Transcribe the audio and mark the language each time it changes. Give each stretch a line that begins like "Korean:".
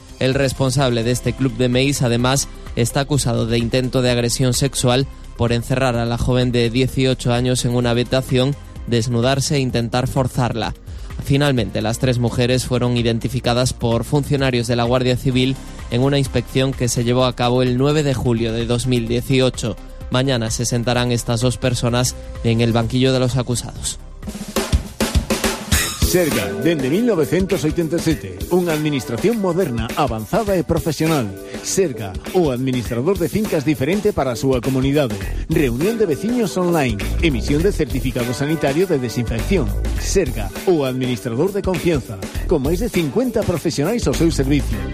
Spanish: El responsable de este club de Meis, además, está acusado de intento de agresión sexual por encerrar a la joven de 18 años en una habitación, desnudarse e intentar forzarla. Finalmente, las tres mujeres fueron identificadas por funcionarios de la Guardia Civil en una inspección que se llevó a cabo el 9 de julio de 2018. Mañana se sentarán estas dos personas en el banquillo de los acusados.
Galician: Serga, dende 1987, unha administración moderna, avanzada e profesional. Serga, o administrador de fincas diferente para a súa comunidade. Reunión de veciños online, emisión de certificado sanitario de desinfección. Serga, o administrador de confianza, con máis de 50 profesionais ao seu servicio.